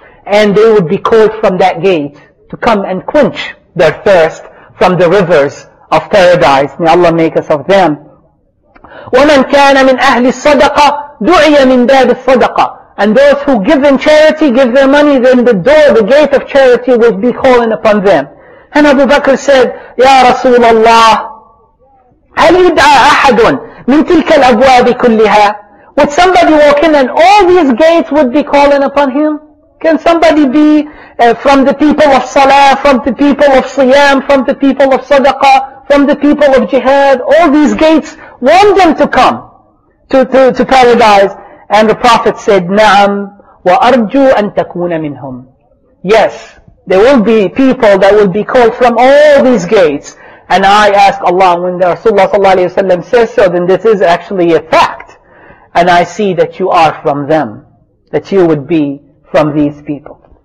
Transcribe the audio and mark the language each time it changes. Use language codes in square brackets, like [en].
[en] And they would be called from that gate to come and quench their thirst from the rivers of paradise. May Allah make us of them. [ar] وَمَنْ كَانَ مِنْ أَهْلِ الصَّدَقَةِ دُعِيَ مِنْ بَابِ الصَّدَقَةِ. [en] And those who give in charity, give their money, then the door, the gate of charity will be calling upon them. And Abu Bakr said, [ar] يَا رَسُولَ اللَّهِ هَلْ يُدْعَى أَحَدٌ مِنْ تِلْكَ الْأَبْوَابِ كُلِّهَا. [en] Would somebody walk in and all these gates would be calling upon him? Can somebody be from the people of Salah, from the people of Siyam, from the people of Sadaqah, from the people of Jihad? All these gates want them to come to paradise. And the Prophet said, [ar] نَعَمْ وَأَرْجُوا أَن تَكُونَ مِنْهُمْ. [en] Yes, there will be people that will be called from all these gates. And I ask Allah, when the Rasulullah صلى الله عليه وسلم says so, then this is actually a fact. And I see that you are from them, that you would be from these people.